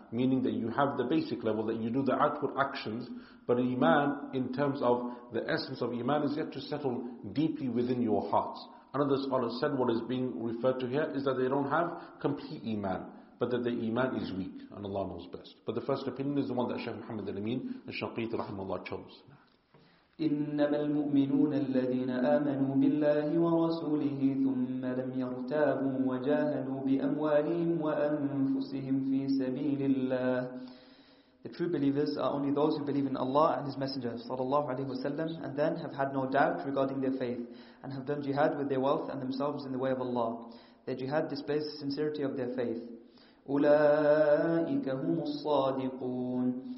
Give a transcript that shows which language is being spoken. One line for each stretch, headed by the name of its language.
English: Meaning that you have the basic level, that you do the outward actions. But Iman, in terms of the essence of Iman, is yet to settle deeply within your hearts. Another scholar said what is being referred to here is that they don't have complete Iman. But that the Iman is weak, and Allah knows best. But the first opinion is the one that Shaykh Muhammad al-Amin, al-Shaqit, rahimahullah, chose.
Arabic: إنما المؤمنون الذين آمنوا بالله ورسوله ثم لم يرتابوا وجاهدوا بأموالهم وأنفسهم في سبيل الله
English: The true believers are only those who believe in Allah and His Messenger sallallahu alaihi wasallam and then have had no doubt regarding their faith and have done jihad with their wealth and themselves in the way of Allah. Their jihad displays the sincerity of their faith.
Arabic: أولئك هم الصادقون